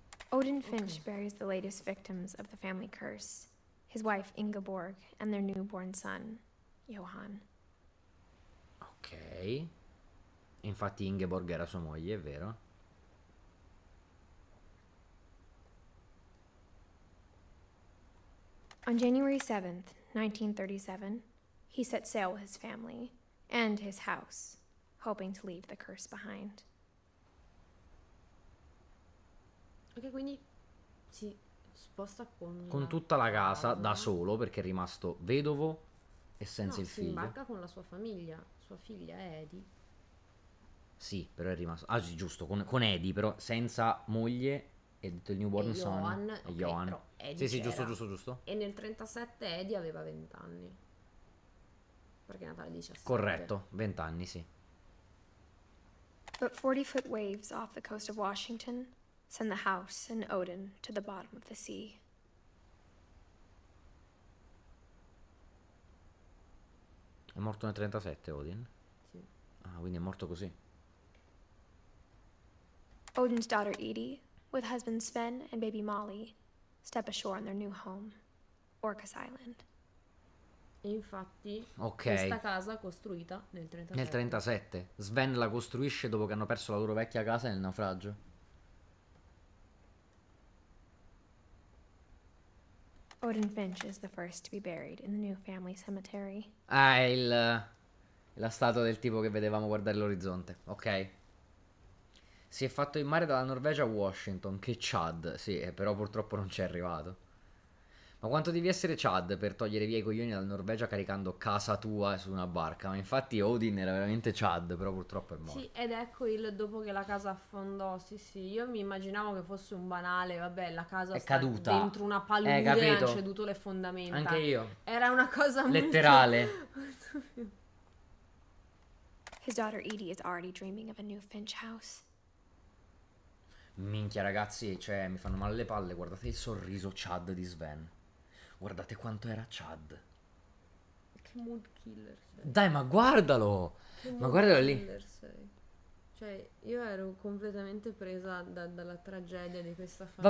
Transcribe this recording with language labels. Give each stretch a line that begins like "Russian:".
English: Odin Finch buries the latest victims of the family curse. His wife Ingeborg and their newborn son, Johan.
Italian: Ok. Infatti Ingeborg era sua moglie, è vero?
English: On January 7th, 1937, he set sail with his family and his house, hoping to leave the curse behind.
Italian: Ok, quindi si sposta con tutta la casa, da solo, perché è rimasto vedovo e senza il figlio. No, si imbarca con la sua famiglia, sua figlia Eddie. Sì, però è rimasto, ah sì, giusto, con Eddie, però senza moglie e il
English: newborn son.
Italian: Johan. Okay, sì, giusto. E nel 37 Eddie aveva 20 anni, perché è nata alle 17. Corretto, 20 anni, sì.
English: But 40 foot waves off the coast of Washington send the house and Odin to the bottom of the sea.
Italian: È morto nel 37 Odin? Sì. Ah, quindi è morto così.
English: Odin's daughter Edie, with husband Sven and baby Molly, step ashore in their new home, Orcas Island.
Italian: Infatti, okay. Questa casa costruita nel 37. Nel 37. Sven la costruisce dopo che hanno perso la loro vecchia casa nel naufragio.
English: Odin Finch is the first to be buried in the new family cemetery.
Italian: Ah, la statua del tipo che vedevamo guardare l'orizzonte. Ok. Si è fatto in mare dalla Norvegia a Washington. Che Chad. Sì, però purtroppo non c'è arrivato. Ma quanto devi essere Chad per togliere via i coglioni dalla Norvegia caricando casa tua su una barca? Ma infatti Odin era veramente Chad, però purtroppo è morto. Sì, ed ecco il dopo che la casa affondò. Sì, io mi immaginavo che fosse un banale, vabbè, la casa è caduta dentro una palude e hanno ceduto le fondamenta. Anche io. Era una cosa letterale.
English: His daughter Edie is already dreaming of a new Finch house.
Italian: Minchia, ragazzi, cioè, mi fanno male le palle. Guardate il sorriso Chad di Sven. Guardate quanto era Chad. Che mood killer sei. Dai, ma guardalo! Che ma guardalo lì. Sei. Cioè, io ero completamente presa dalla tragedia di questa famiglia.